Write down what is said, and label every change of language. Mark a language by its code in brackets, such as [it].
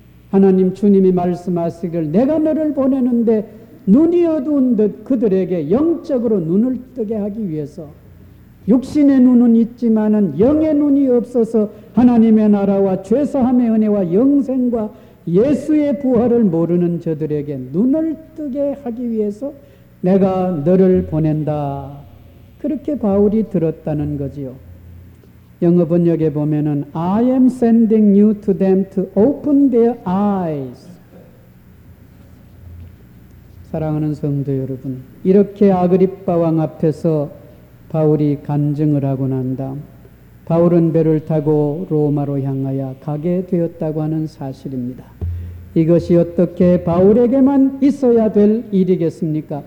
[ko] 하나님 주님이 말씀하시기를 내가 너를 보내는데 눈이 어두운 듯 그들에게 영적으로 눈을 뜨게 하기 위해서 육신의 눈은 있지만은 영의 눈이 없어서 하나님의 나라와 죄사함의 은혜와 영생과 예수의 부활을 모르는 저들에게 눈을 뜨게 하기 위해서 내가 너를 보낸다. 그렇게 바울이 들었다는 거지요. 영어 번역에 보면은 [en] I am sending you to them to open their eyes. [ko] 사랑하는 성도 여러분, 이렇게 아그립바 왕 앞에서 바울이 간증을 하고 난 다음 바울은 배를 타고 로마로 향하여 가게 되었다고 하는 사실입니다. 이것이 어떻게 바울에게만 있어야 될 일이겠습니까?